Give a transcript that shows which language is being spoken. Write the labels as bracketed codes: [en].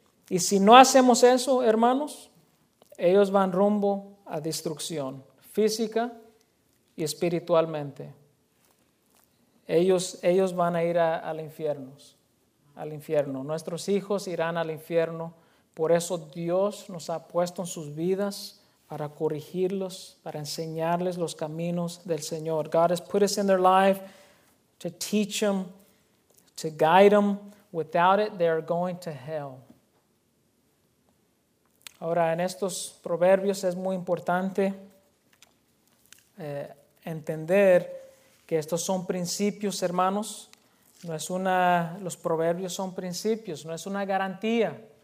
[es] Y si no hacemos eso, hermanos, ellos van rumbo a destrucción física y espiritualmente. Ellos van a ir al infierno. Nuestros hijos irán al infierno. Por eso Dios nos ha puesto en sus vidas para corregirlos, para enseñarles los caminos del Señor. [en] God has put us in their life to teach them, to guide them. Without it, they are going to hell. [es] Ahora, en estos proverbios es muy importante entender que estos son principios, hermanos. Los proverbios son principios, no es una garantía.